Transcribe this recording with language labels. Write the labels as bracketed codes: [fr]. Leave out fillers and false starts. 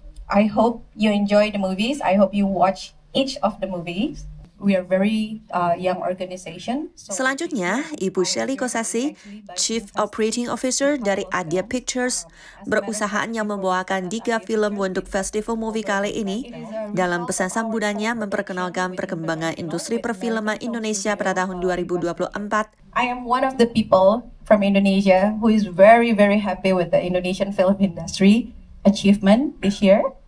[en] I hope you enjoy the movies. I hope you watch each of the movies. We are very young organization. [id] Selanjutnya, Ibu Shelly Kosasi, Chief Operating Officer dari Adia Pictures, perusahaan yang membawakan 3 film untuk festival movie kali ini, dalam pesan sambutannya memperkenalkan perkembangan industri perfilman Indonesia pada tahun 2024. [en] I am one of the people from Indonesia who is very very happy with the Indonesian film industry achievement this year.